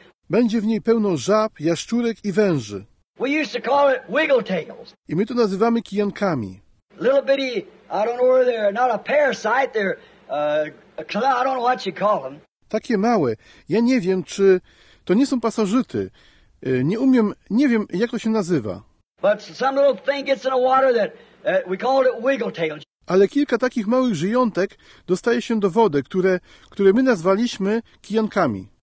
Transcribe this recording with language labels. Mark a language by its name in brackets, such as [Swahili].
[Polish] Będzie w niej pełno żab, jaszczurek i węży. [English] We used to call it wiggle tails. [Polish] I my to nazywamy kijankami. [English] Little bitty, I don't know where they're not a parasite, they're I don't know what you call them. [Polish] Takie małe. Ja nie wiem, czy to nie są pasożyty. Nie wiem, jak to się nazywa. [English] But some little thing gets in the water that we call it wiggle tails. [Polish] Ale kilka takich małych żyjątek dostaje się do wody, które my nazwaliśmy kijankami.